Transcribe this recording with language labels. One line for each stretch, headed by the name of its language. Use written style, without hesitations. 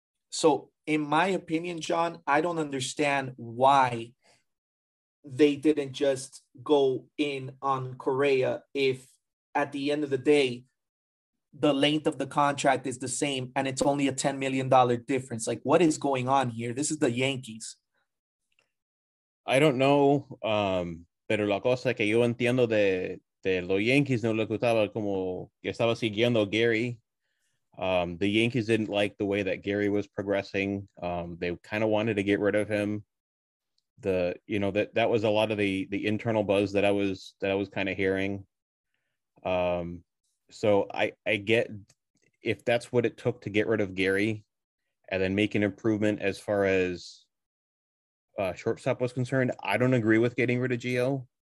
English: So in my opinion, John, I don't understand why they didn't just go in on Correa if at the end of the day, the length of the contract is the same and it's only a $10 million difference. Like, what is going on here? This is the Yankees. I don't know.
Spanish: Pero la cosa que yo entiendo de los Yankees no le gustaba como que estaba siguiendo Gary.
English: The Yankees didn't like the way that Gary was progressing. They kind of wanted to get rid of him. That was a lot of the internal buzz that I was kind of hearing. So I get if that's what it took to get rid of Gary and then make an improvement as far as shortstop was concerned, I don't agree with getting rid of Gio.